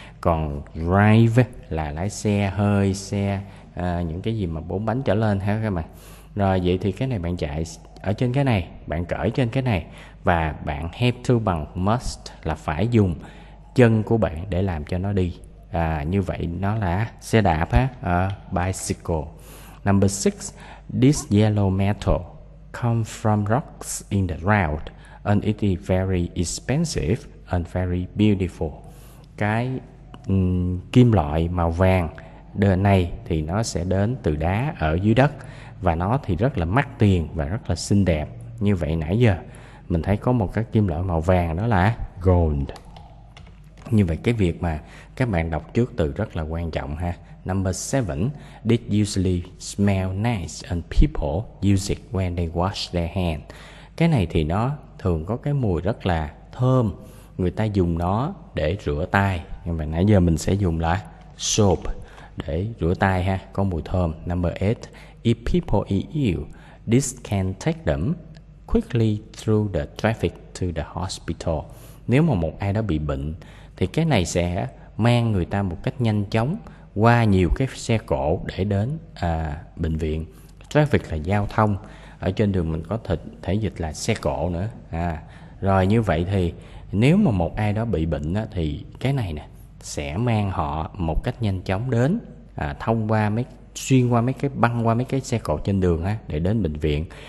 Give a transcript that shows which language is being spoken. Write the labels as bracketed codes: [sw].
[vi] Còn drive là lái xe hơi, xe những cái gì mà bốn bánh trở lên ha các bạn. Rồi vậy thì cái này bạn chạy ở trên cái này, bạn cưỡi trên cái này, và bạn have to bằng must là phải dùng chân của bạn để làm cho nó đi. Như vậy nó là xe đạp ha, bicycle. [en] Number 6, this yellow metal come from rocks in the ground and it is very expensive and very beautiful. [vi] Cái kim loại màu vàng đời này thì nó sẽ đến từ đá ở dưới đất, và nó thì rất là mắc tiền và rất là xinh đẹp. Như vậy nãy giờ mình thấy có một cái kim loại màu vàng đó là gold. Như vậy cái việc mà các bạn đọc trước từ rất là quan trọng ha. [en] Number 7, this usually smell nice and people use it when they wash their hands. [vi] Cái này thì nó thường có cái mùi rất là thơm, người ta dùng nó để rửa tay. Nhưng mà nãy giờ mình sẽ dùng là soap để rửa tay ha, có mùi thơm. [en] Number 8, if people eat you, this can take them quickly through the traffic to the hospital. [vi] Nếu mà một ai đó bị bệnh thì cái này sẽ mang người ta một cách nhanh chóng qua nhiều cái xe cộ để đến bệnh viện. Traffic là giao thông, ở trên đường mình có thể dịch là xe cộ nữa. Rồi như vậy thì nếu mà một ai đó bị bệnh á, thì cái này nè sẽ mang họ một cách nhanh chóng đến, thông qua mấy xuyên qua mấy cái băng qua mấy cái xe cộ trên đường á, để đến bệnh viện.